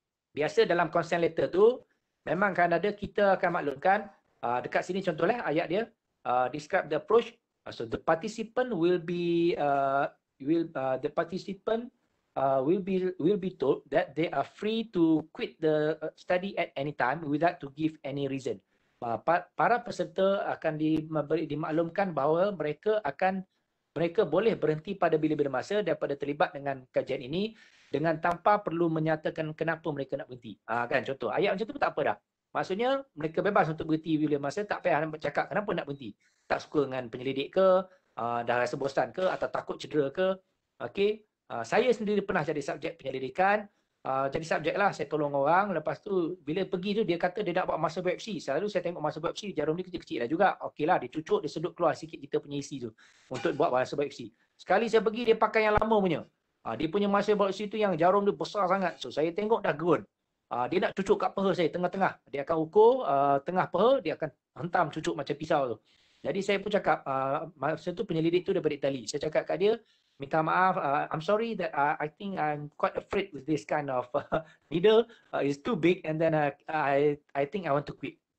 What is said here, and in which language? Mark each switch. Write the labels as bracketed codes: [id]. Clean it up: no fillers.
[ms] Biasa dalam consent letter tu, memang kan ada kita akan maklumkan, dekat sini contohlah ayat dia, [en] describe the approach. So the participant will be told that they are free to quit the study at any time without to give any reason. [ms] Para peserta akan dimaklumkan bahawa mereka boleh berhenti pada bila-bila masa daripada terlibat dengan kajian ini dengan tanpa perlu menyatakan kenapa mereka nak berhenti. Kan contoh ayat macam tu tak apa dah. Maksudnya mereka bebas untuk berhenti bila masa, tak payah cakap kenapa nak berhenti. Tak suka dengan penyelidik ke, dah rasa bosan ke, atau takut cedera ke. Okey. Saya sendiri pernah jadi subjek penyelidikan, jadi subjek lah, saya tolong orang. Lepas tu bila pergi tu dia kata dia nak buat muscle biopsi. Selalu saya tengok muscle biopsi, jarum ni kecil-kecil dah juga. Okeylah, dia cucuk, dia sedut keluar sikit kita punya isi tu untuk buat muscle biopsi. Sekali saya pergi, dia pakai yang lama punya. Dia punya muscle biopsi tu yang jarum dia besar sangat. So saya tengok dah gerun. Dia nak cucuk kat peha saya, tengah-tengah. Dia akan ukur tengah peha, dia akan hentam cucuk macam pisau tu. Jadi saya pun cakap, masa tu penyelidik tu daripada Itali. Saya cakap kat dia, minta maaf, [en] I'm sorry that I think I'm quite afraid with this kind of needle. It's too big and then I think I want to quit.